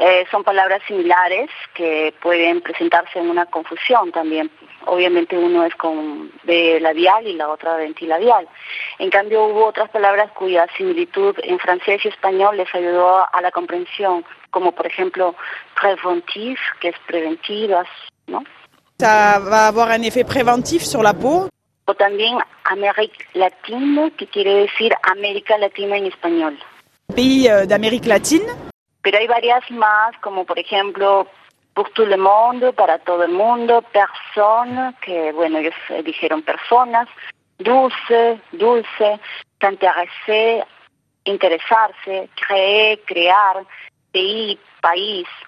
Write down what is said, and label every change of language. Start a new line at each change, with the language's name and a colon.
Spanish: Son palabras similares que pueden presentarse en una confusión también. Obviamente uno es con B labial y la otra ventilabial. En cambio hubo otras palabras cuya similitud en francés y español les ayudó a la comprensión, como por ejemplo préventif, que es preventivas, ¿no?
French: Ça va avoir un effet préventif sur la peau.
Spanish: O también Amérique Latine, que quiere decir América Latina en español.
French: Pays d'Amérique Latine.
Spanish: Pero hay varias más, como por ejemplo
French: pour tout le monde,
Spanish: para todo el mundo, personne, que bueno, ellos dijeron personas, dulce, s'intéresser, interesarse, crear, país.